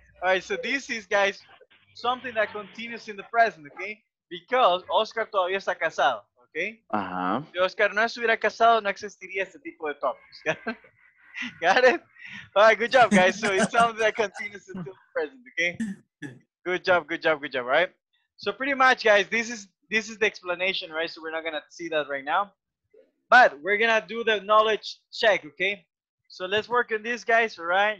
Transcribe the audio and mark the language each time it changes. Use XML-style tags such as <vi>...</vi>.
<en>All right, so this is, guys, something that continues in the present, okay?</en> <es>Because Oscar todavía está casado, okay? Uh-huh. Si Oscar no estuviera casado, no existiría este tipo de topics.</es> <en>Got it? All right, good job, guys. So it's something that continues in the present, okay? Good job, right? So pretty much, guys, this is the explanation, right? So we're not going to see that right now. But we're going to do the knowledge check, okay? So let's work on this, guys, all right?</en>